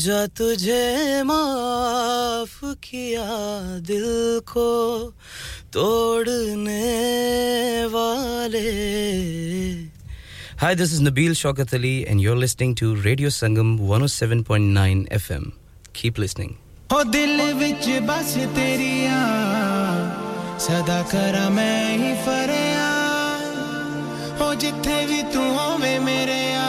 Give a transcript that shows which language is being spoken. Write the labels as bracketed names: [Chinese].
[Hindi] जो तुझे माफ किया दिल को तोड़ने वाले। [English] Hi, this is Nabeel Shaukat Ali and you're listening to Radio Sangam 107.9 FM. Keep listening. [Punjabi] ओ दिल विच बस तेरिया सदा करा मैं ही फरियाद। ओ जिथे भी तू होवे मेरे